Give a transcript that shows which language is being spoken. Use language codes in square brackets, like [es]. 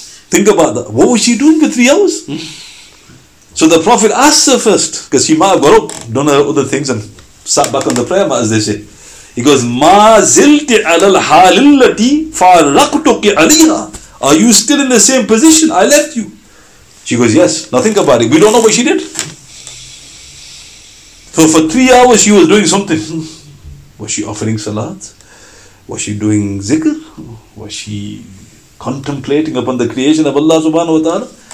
[en] Think about that. What was she doing for 3 hours? So the Prophet asks her first, because she might have got up, done her other things and sat back on the prayer mat, as they say. [ar] He goes, مَا زِلْتِ عَلَى الْحَالِ الَّتِي فَارَقْتُكِ عَلِيهَا. [en] Are you still in the same position? I left you. She goes, yes. Now think about it. We don't know what she did. So for 3 hours she was doing something. Was she offering salat? Was she doing zikr? Was she contemplating upon the creation of Allah subhanahu wa ta'ala?